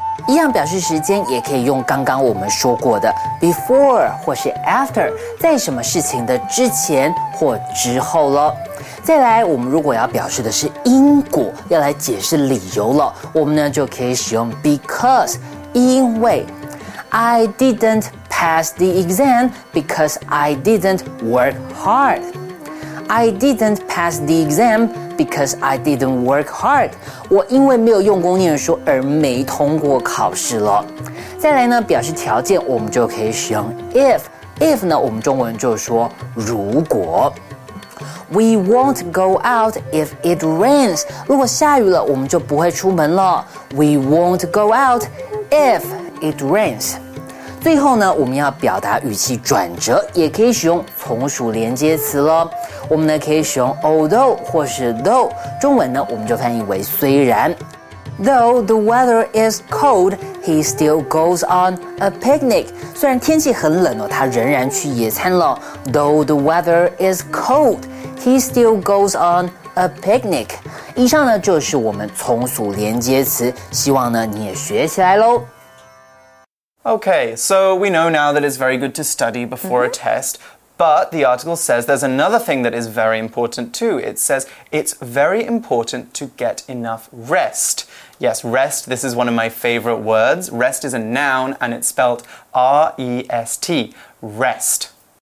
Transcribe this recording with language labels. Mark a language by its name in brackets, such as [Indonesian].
[Chinese] 一样表示时间，也可以用刚刚我们说过的 before 或是 after， 在什么事情的之前或之后了。再来，我们如果要表示的是因果，要来解释理由了，我们呢就可以使用 because， 因为。 [English] I didn't pass the exam because I didn't work hard. I didn't pass the exam because I didn't work hard. [Chinese] 我因为没有用功念书而没通过考试了。再来呢，表示条件，我们就可以使用 if。if 呢，我们中文就说如果。 [English] We won't go out if it rains. [Chinese] 如果下雨了，我们就不会出门了。 [English] We won't go out if it rains. [Chinese] 最后呢，我们要表达语气转折，也可以使用从属连接词了。我们呢可以使用 although 或是 though， 中文呢我们就翻译为虽然。 [English] Though the weather is cold, he still goes on a picnic. [Chinese] 虽然天气很冷哦，他仍然去野餐了。 [English] Though the weather is cold, he still goes on a picnic. [Chinese] 以上呢就是我们从属连接词，希望呢你也学起来咯。 [English] Okay, so we know now that it's very good to study before a test. But the article says there's another thing that is very important too. It says it's very important to get enough rest. Yes, rest, this is one of my favorite words. Rest is a noun and it's spelled R-E-S-T, rest.